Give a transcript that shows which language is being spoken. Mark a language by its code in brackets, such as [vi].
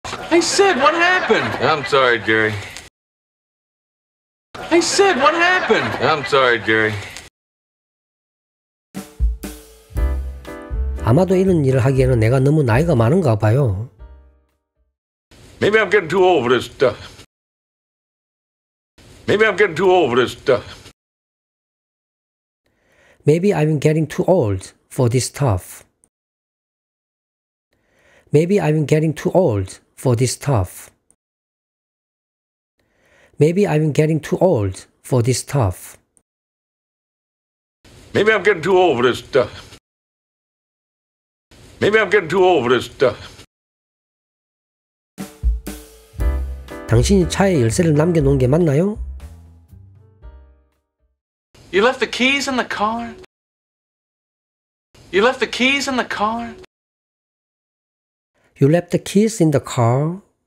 [en] Hey Sid, what happened? I'm sorry, Jerry. Hey Sid, what happened? I'm sorry, Jerry. [ko] 아마도 이런 일을 하기에는 내가 너무 나이가 많은가 봐요. [en] Maybe I'm getting too old for this stuff. Maybe I'm getting too old for this stuff. Maybe I'm getting too old for this stuff. Maybe I'm getting too old for this stuff. Maybe I'm getting too old for this stuff. Maybe I'm getting too old for this stuff. Maybe I'm getting too old for this stuff. [ko] 당신이 차에 열쇠를 남겨놓은 게 맞나요? [en] You left the keys in the car? You left the keys in the car? You left the keys in the car?